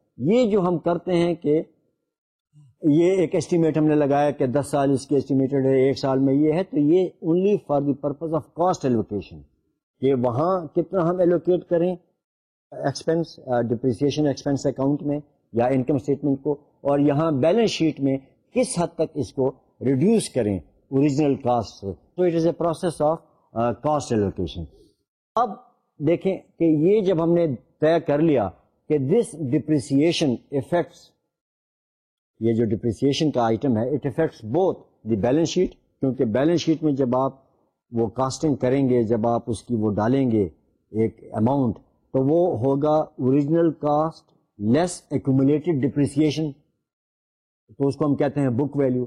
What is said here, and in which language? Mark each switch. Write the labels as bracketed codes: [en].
[ur] یہ جو ہم کرتے ہیں کہ یہ ایک ایسٹیمیٹ ہم نے لگایا کہ 10 سال اس کی ایسٹیمیٹڈ ہے, 1 سال میں یہ ہے, تو یہ [en] only for the purpose of cost allocation [ur] کہ وہاں کتنا ہم ایلوکیٹ کریں ایکسپینس ڈپریسیشن ایکسپینس اکاؤنٹ میں یا انکم اسٹیٹمنٹ کو, اور یہاں بیلنس شیٹ میں کس حد تک اس کو ریڈیوس کریں اوریجنل کاسٹ سے. [en] تو it is a process of cost allocation. [ur] اب دیکھیں کہ یہ جب ہم نے طے کر لیا کہ دس ڈپریسیشن افیکٹس, یہ جو ڈپریسیشن کا آئٹم ہے [en] it affects both the balance sheet, [ur] کیونکہ بیلنس شیٹ میں جب آپ وہ کاسٹنگ کریں گے, جب آپ اس کی وہ ڈالیں گے ایک اماؤنٹ, تو وہ ہوگا [en] original cost less accumulated depreciation, [ur] تو اس کو ہم کہتے ہیں بک ویلیو.